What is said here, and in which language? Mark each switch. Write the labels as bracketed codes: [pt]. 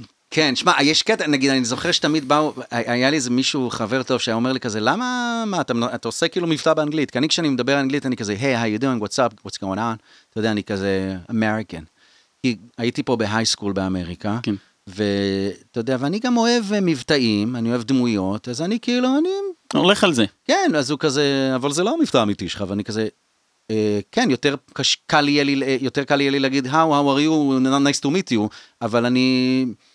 [he] כן, שמע, יש קטע, נגיד, אני זוכר שתמיד באו, היה לי איזה מישהו, חבר טוב, שהיה אומר לי כזה, למה, מה, אתה עושה כאילו מבטא באנגלית? כי אני, כשאני מדבר אנגלית, אני כזה, [en] hey, how you doing, what's up, what's going on? [he] אתה יודע, אני כזה, American. כי הייתי פה בהיי סקול באמריקה, כן. ואתה יודע, ואני גם אוהב מבטאים, אני אוהב דמויות, אז אני כאילו, אני... הולך על זה. כן, אז הוא כזה, אבל זה לא המבטא האמיתי שלך, ואני כזה... כן, יותר קל יהיה לי להגיד, [en] how are you, nice to meet you, [he] אבל אני...